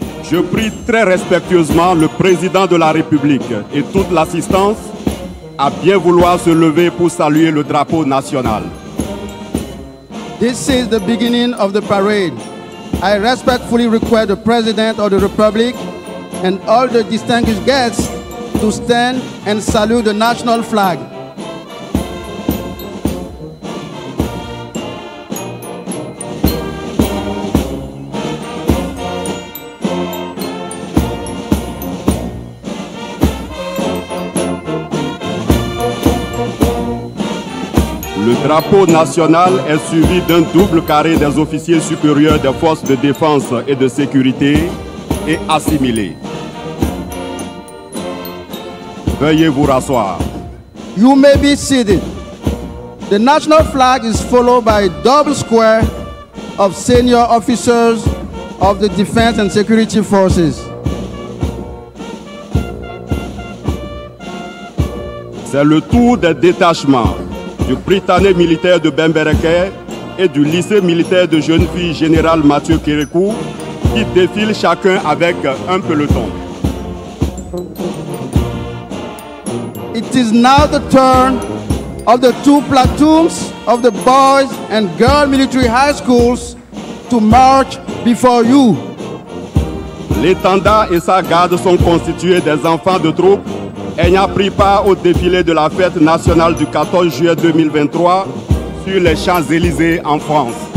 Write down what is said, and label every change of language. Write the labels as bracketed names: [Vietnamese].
[French] Je prie très respectueusement le président de la République et toute l'assistance à bien vouloir se lever pour saluer le drapeau national. [English] This is the beginning of the parade. I respectfully request the President of the Republic and all the distinguished guests to stand and salute the national flag. [French] Le drapeau national est suivi d'un double carré des officiers supérieurs des forces de défense et de sécurité et assimilés. Veuillez vous rasseoir. [English] You may be seated. The national flag is followed by a double square of senior officers of the defense and security forces. [French] C'est le tour des détachements du Britannée militaire de Bembereke et du lycée militaire de jeunes filles général Mathieu Kérékou qui défilent chacun avec un peloton. [English] It is now the turn of the two platoons of the boys and girls military high schools to march before you. [French] L'étendard et sa garde sont constitués des enfants de troupes ayant pris part au défilé de la fête nationale du 14 juillet 2023 sur les Champs-Élysées en France.